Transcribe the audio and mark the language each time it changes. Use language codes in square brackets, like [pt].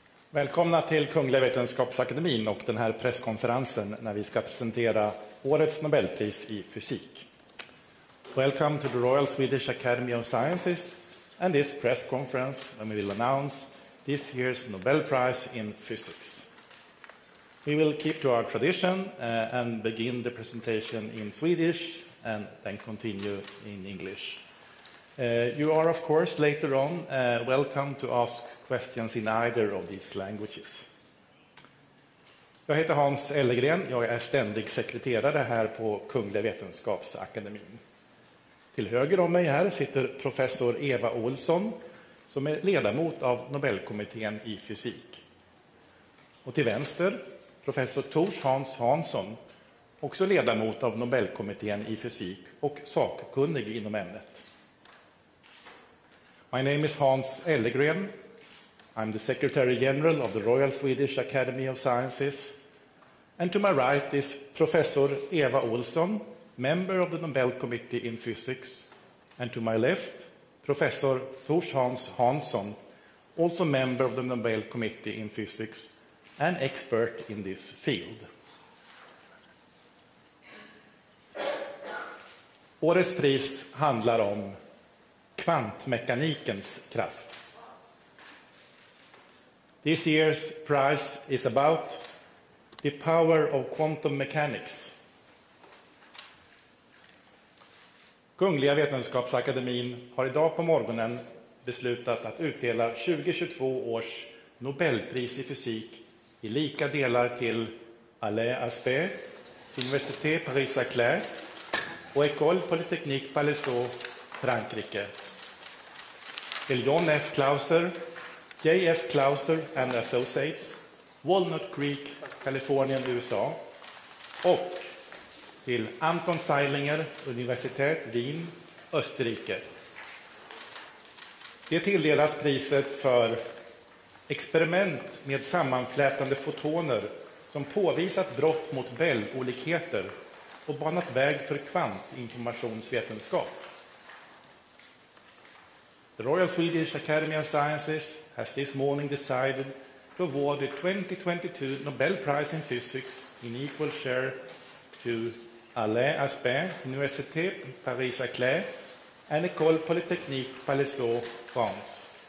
[sv] Välkomna till Kungliga Vetenskapsakademin och den här presskonferensen när vi ska presentera årets Nobelpris i fysik. [en] Welcome to the Royal Swedish Academy of Sciences and this press conference when we will announce this year's Nobel Prize in Physics. We will keep to our tradition and begin the presentation in Swedish and then continue in English. You are, of course, later on welcome to ask questions in either of these languages. [sv] Jag heter Hans Ellegren. Jag är ständig sekreterare här på Kungliga Vetenskapsakademin. Till höger om mig här sitter professor Eva Olsson som är ledamot av Nobelkommittén i fysik. Och till vänster professor Tors Hans Hansson, också ledamot av Nobelkommittén i fysik och sakkunnig inom ämnet. [en] My name is Hans Ellegren. I'm the Secretary General of the Royal Swedish Academy of Sciences. And to my right is Professor Eva Olsson, member of the Nobel Committee in Physics. And to my left, Professor Tors Hans Hansson, also member of the Nobel Committee in Physics and expert in this field. [sv] Årets pris handlar om kvantmekanikens kraft. [en] This year's prize is about the power of quantum mechanics. [sv] Kungliga Vetenskapsakademin har idag på morgonen beslutat att utdela 2022 års Nobelpris i fysik i lika delar till Alain Aspect, Université Paris-Saclay och École Polytechnique Palaiseau, Frankrike. Till John F. Clauser, J.F. Clauser and Associates, Walnut Creek, Kalifornien, USA. Och till Anton Zeilinger, Universitet Wien, Österrike. Det tilldelas priset för experiment med sammanflätande fotoner som påvisat brott mot Bell-olikheter och banat väg för kvantinformationsvetenskap. [en] The Royal Swedish Academy of Sciences has this morning decided to award the 2022 Nobel Prize in Physics in equal share to Alain Aspect, Université Paris-Saclay, and École Polytechnique Palaiseau, France.